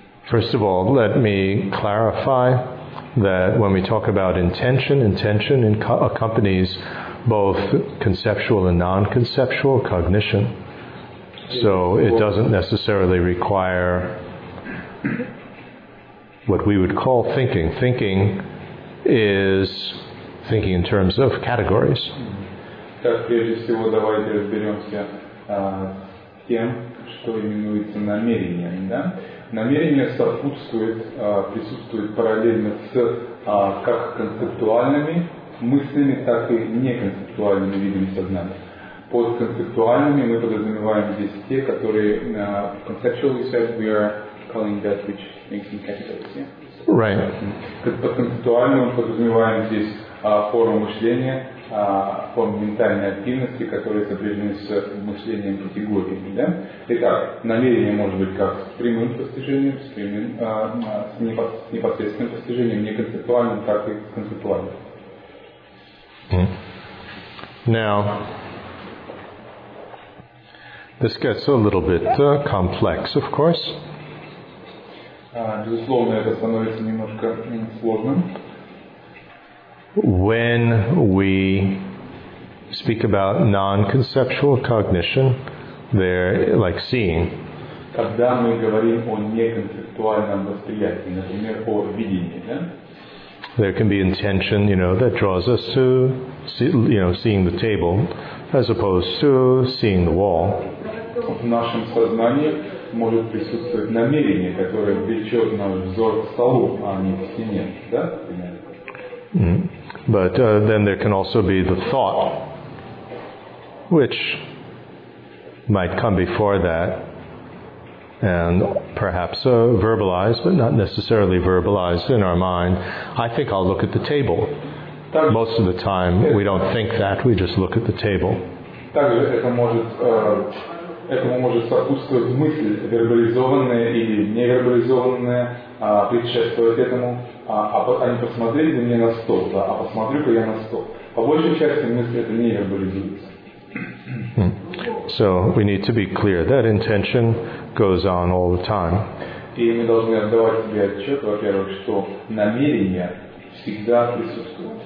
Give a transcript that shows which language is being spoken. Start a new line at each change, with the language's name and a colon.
English: First of all, let me clarify that when we talk about intention, intention accompanies both conceptual and non-conceptual cognition. So it doesn't necessarily require what we would call thinking. Thinking is thinking in terms of categories.
Russian: Так, прежде всего, давайте разберемся с тем, что именуется намерением. Да? Намерение сопутствует, присутствует параллельно с как концептуальными мыслями, так и неконцептуальными видами сознания. Под концептуальными мы подразумеваем здесь те, которые
English: conceptually said we are calling that which makes in categories. Yeah? Right.
Russian: Под концептуальным мы подразумеваем здесь форму мышления, форм ментальной активности, которые сопряжены с мышлением категориями. Да? Итак, намерение может быть как с прямым постижением, с, прямым, с непосредственным постижением, не концептуальным, так и с концептуальным.
English: Now, this gets a little bit complex, of course.
Russian: Безусловно, это становится немножко сложным.
English: When we speak about non-conceptual cognition, there, like seeing.
Russian: Когда мы говорим о неконцептуальном восприятии, например, о видении, да?
English: There can be intention, you know, that draws us to, see, you know, seeing the table, as opposed to seeing the wall.
Russian: В нашем сознании может присутствовать намерение, которое влечет наш взор к столу, а не к стене, да?
English: But then there can also be the thought, which might come before that, and perhaps verbalized, but not necessarily verbalized in our mind. I think I'll look at the table. Most of the time, we don't think that, we just look at the table.
Russian: Этому может сопутствовать мысль, вербализованная или невербализованная, предшествует этому. А не посмотрели бы мне на стол, да, а посмотрю-ка я на стол. По большей части мысль это не вербализуется.
English: So we need to be clear that intention goes on all the time.
Russian: И мы должны отдавать себе отчет, во-первых, что намерение всегда присутствует.